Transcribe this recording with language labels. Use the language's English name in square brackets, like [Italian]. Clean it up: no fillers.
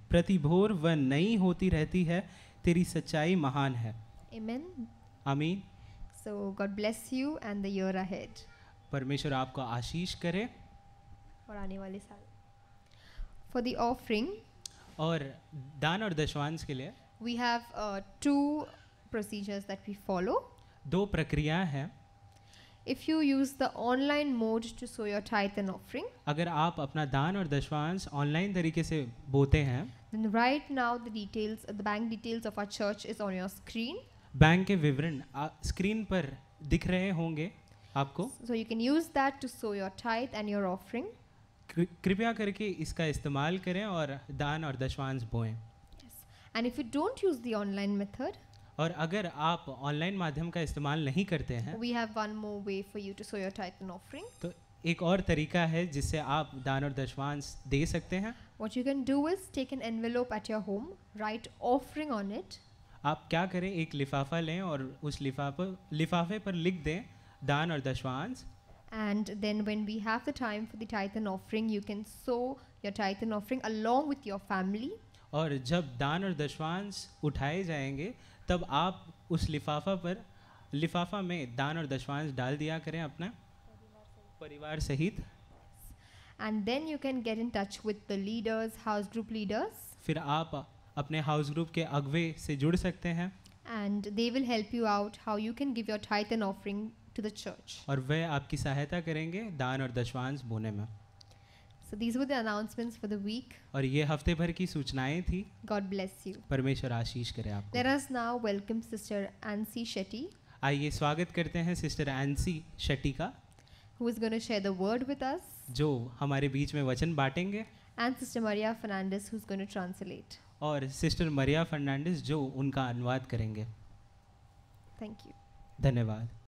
[Hindi] प्रतिभोर व नई होती रहती है तेरी सच्चाई महान है [English] Amen. [Hindi] आमीन [English] So God bless you and the year ahead. [Hindi] परमेश्वर आपको आशीष करे और आने वाले साल [English] For the offering [Hindi] और दान और दशमांश के लिए [English] We have two procedures that we follow. [Hindi] दो प्रक्रियाएं हैं [English] If you use the online mode to sow your tithe and offering, [Hindi] अगर आप अपना दान और दशमांश ऑनलाइन तरीके से बोते हैं, [English] then right now the bank details of our church is on your screen. [Hindi] Bank के विवरण स्क्रीन पर दिख रहे होंगे आपको. [English] So you can use that to sow your tithe and your offering. [Hindi] कृपया करके इसका इस्तेमाल करें और दान और दशमांश बोएं. [English] Yes. And if you don't use the online method. [Hindi] और अगर आप ऑनलाइन माध्यम का इस्तेमाल नहीं करते हैं [English] We have one more way for you to sow your tithe and offering. [Hindi] तो एक और तरीका है जिससे आप दान और दशमांश दे सकते हैं [English] What you can do is take an envelope at your home, write offering on it. [Hindi] आप क्या करें एक लिफाफा लें और उस लिफाफे पर लिख दें दान और दशमांश [English] And then when we have the time for the tithe and offering, you can sow your tithe and offering along with your family. [Hindi] और जब दान और दशमांश उठाए जाएंगे तब आप उस लिफाफा में दान और दशमांश डाल दिया करें अपना परिवार सहित [English] and then you can get in touch with the leaders house group leaders [Hindi] फिर आप अपने हाउस ग्रुप के अगवे से जुड़ सकते हैं [English] and they will help you out how you can give your tithe and offering to the church [Hindi] और वे आपकी सहायता करेंगे दान और दशमांश बोने में [English] So these were the announcements for the week. [Hindi] और ये हफ्ते भर की सूचनाएं थी. [English] God bless you. [Hindi] परमेश्वर आशीष करे आपको. [English] Let us now welcome Sister Ansi Shetty. [Hindi] आइए स्वागत करते हैं Sister Ansi Shetty का. [English] Who is going to share the word with us? [Hindi] जो हमारे बीच में वचन बांटेंगे. [English] And Sister Maria Fernandez, who is going to translate. [Hindi] और Sister Maria Fernandez, जो उनका अनुवाद करेंगे. [English] Thank you. [Hindi] धन्यवाद.